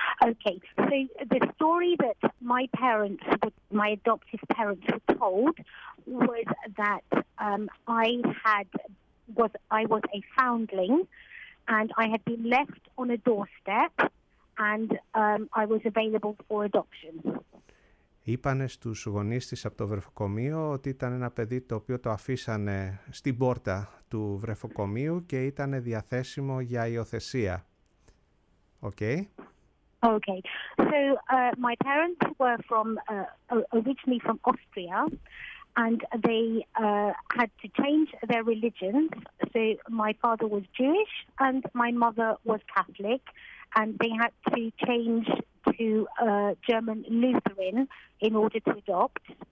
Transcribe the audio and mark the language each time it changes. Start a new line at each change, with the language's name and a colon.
English: Okay, so the story that my parents, my adoptive parents, were told was that I was a foundling, and I had been left on a doorstep, and I was available for adoption.
Greek: Είπανε στους γονείς της από το βρεφοκομείο ότι ήταν ένα παιδί το οποίο το αφήσανε στην πόρτα του βρεφοκομείου και ήταν διαθέσιμο για υιοθεσία.
English: Okay. Okay, so my parents were from originally from Austria, and they had to change their religion. So my father was Jewish and my mother was Catholic, and they had to change to German Lutheran in order to adopt.